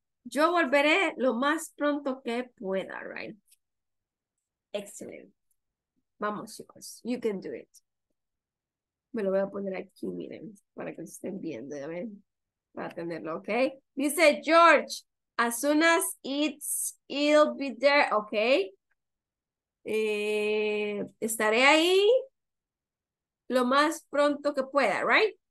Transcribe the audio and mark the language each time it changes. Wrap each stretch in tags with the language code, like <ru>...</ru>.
<es>Yo volveré lo más pronto que pueda, right?</es> <en>Excellent.</en> <es>Vamos, chicos,</es> <en>you can do it.</en> <es>Me lo voy a poner aquí, miren, para que se estén viendo, a ver, para tenerlo, okay?</es> <en>Dice George, as soon as it'll be there, okay?</en> <es>Estaré ahí lo más pronto que pueda, right?</es>